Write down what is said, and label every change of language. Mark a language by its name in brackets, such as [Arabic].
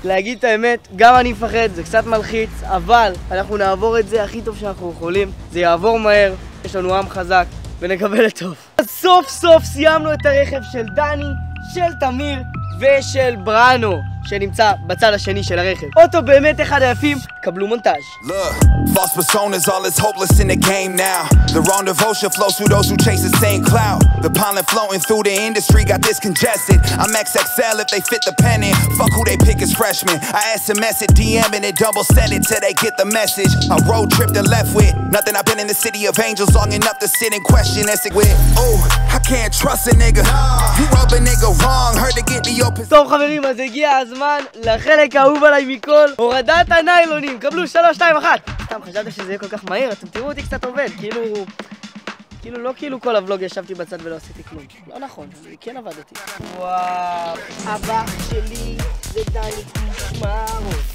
[Hebrew] להגיד את האמת, גם אני מפחד, זה קצת מלחיץ, אבל אנחנו נעבור את זה הכי טוב שאנחנו יכולים. זה יעבור מהר, יש לנו עם חזק. ונקבל את טוב. אז סוף סוף סיימנו את הרכב של דני, של תמיר ושל בראנו, שנמצא בצד השני של הרכב. אוטו באמת אחד היפים, קבלו מונטאז'. [English] Lost personas, all is hopeless in the game now. The wrong devotion flows through those who chase the same cloud. The pollen flowing through the industry got discongested. I'm XXL if they fit the pennant. Fuck who they pick as freshmen. I SMS it, DM and it, double send it till they get the message. I road tripped and left with nothing. I've been in the city of angels long enough to sit and question that sick with. Oh, I can't trust a nigga. You rub a nigga wrong, hurt to get the open. [Hebrew] טוב חברים, אז הגיע הזמן לחלק האהוב עליי מכל, הורדת הניילונים. קבלו 3, 2, 1. סתם, חשבתי שזה יהיה כל כך מהיר, אתם תראו אותי קצת עובד, כאילו לא כאילו כל הוולוג ישבתי בצד ולא עשיתי כלום. לא נכון, זה כן עבדתי. וואו, אבא שלי זה דני קושמרו.